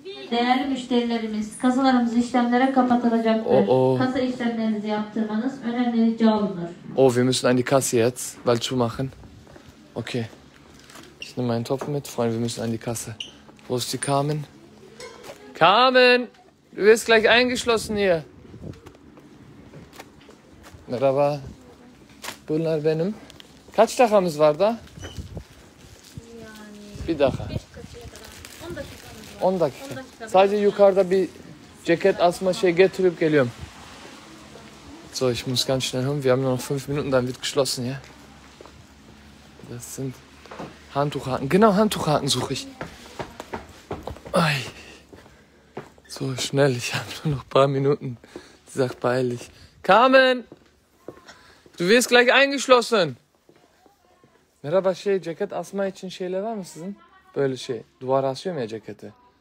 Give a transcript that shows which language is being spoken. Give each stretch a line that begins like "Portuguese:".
Turkish: Değerli müşterilerimiz, kasalarımız işlemlere kapatılacaktır. Oh, oh. Kasa işlemlerinizi yaptırmanız önerilerce alınır.
German: Oh, wir müssen an die Kasse jetzt, weil zu machen. Okay. Ich nehme meinen Topf mit. Freunde, wir müssen an die Kasse. Wo ist die Carmen? Carmen! Du wirst gleich eingeschlossen hier.
Turkish: Merhaba. Bunlar benim. Kaç dakikamız var da? Yani... Bir dakika. 10 dakika. Sadece yukarıda bir ceket asma şey getirip geliyorum.
German: So, ich muss ganz schnell hin. Wir haben nur noch 5 Minuten, dann wird geschlossen, ja? Das sind Handtuchhaken. Genau, Handtuchhaken suche ich. Ai. So schnell, ich habe nur noch ein paar Minuten. Sie sagt beeilig. Carmen! Du wirst gleich eingeschlossen.
Turkish: Merhaba, şey, ceket asma için şeyler var mı sizin? Böyle şey. Duvar asıyor mu ya ceketi?